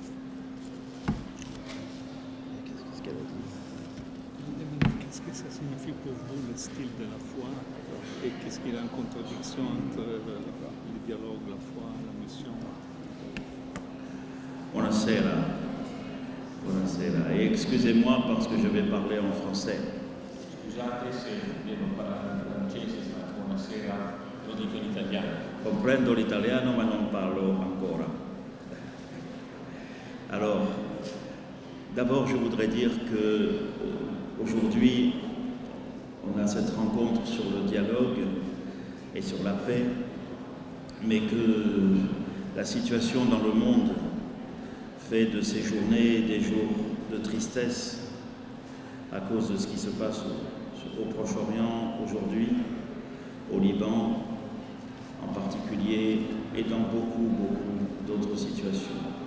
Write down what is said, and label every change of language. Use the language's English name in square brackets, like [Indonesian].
[Italian] intende appunto come stile della fede? Grazie. Che cosa significa per voi lo stile della foi e che stile è in contraddizione tra il dialogo, la foi, la missione? Buonasera. [French] Buonasera, et excusez-moi parce que je vais parler en français. [Italian] Scusate se devo parlare in francese, ma buonasera, lo dico in italiano. Comprendo l'italiano, ma non parlo ancora. [French] Alors, d'abord je voudrais dire que aujourd'hui on a cette rencontre sur le dialogue et sur la paix, mais que la situation dans le monde fait de ces journées des jours de tristesse à cause de ce qui se passe au Proche-Orient aujourd'hui, au Liban en particulier, et dans beaucoup d'autres situations.